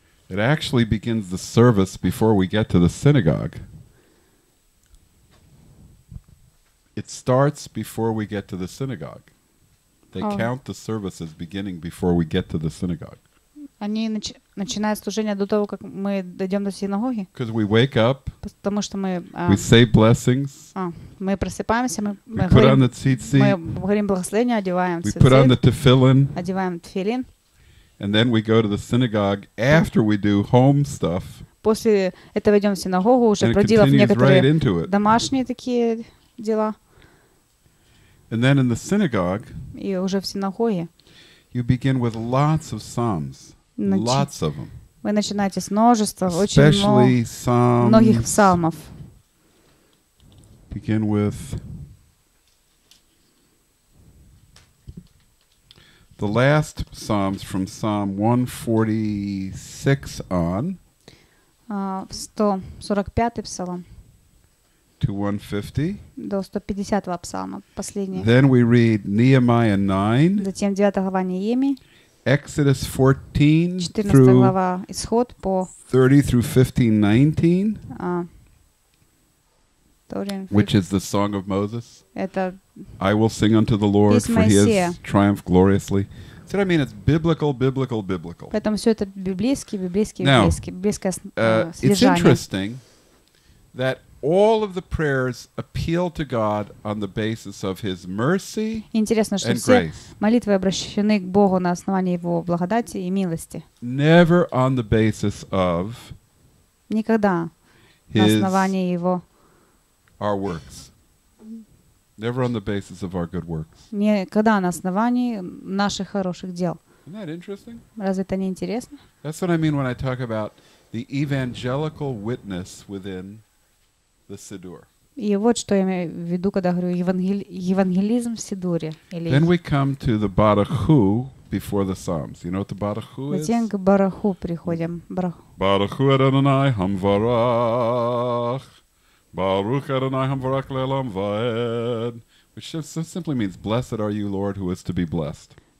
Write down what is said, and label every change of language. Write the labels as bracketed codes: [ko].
[en] It actually begins the service before we get to the synagogue. It starts before we get to the synagogue. They count the service as beginning before we get to the synagogue. [ru] Они начинают служение до того, как мы дойдем до синагоги. Потому что мы мы просыпаемся, мы говорим благословение, одеваем [en] цицит. We put on the tefillin. [ru] Одеваем тфилин. [en] And then we go to the synagogue after we do home stuff. [ru] После этого идем в синагогу, уже проделав некоторые домашние такие дела. [en] And then in the synagogue. [ru] И уже в синагоге. [en] You begin with lots of psalms. Lots of them. [ru] Вы начинаете с множества, очень многих псалмов. [en] Begin with the last psalms from Psalm 146 on. [ru] 145-й псалом. [en] To 150. [ru] До 150-го псалма последний. [en] Then we read Nehemiah 9. [ru] Затем 9 глава Неемии. [en] Exodus 14 through 30 through 15:19, which is the song of Moses. I will sing unto the Lord, for he has triumphed gloriously. So I mean, it's biblical, biblical, biblical. [ru] Поэтому все это библейский, библейский, библейский, библейское содержание. [en] It's interesting that all of the prayers appeal to God on the basis of His mercy and grace. [ru] Интересно, что все молитвы обращены к Богу на основании Его благодати и милости. [en] Never on the basis of [ru] никогда на основании Его [en] our works. Never on the basis of our good works. [ru] Никогда на основании наших хороших дел. [en] Isn't that interesting? [ru] Разве это не интересно? [en] That's what I mean when I talk about the evangelical witness within the siddur. [ru] И вот что я имею в виду, когда говорю евангелизм в сидуре. [en] Then we come to the барахху before the psalms. You know what the барахху is? [ru] Затем к барахху приходим. [he] Барахху Адонай Хамварах. Барух Адонай Хамварах Лелам Ваэд. [en] Which simply means, blessed are you, Lord, who is to be blessed.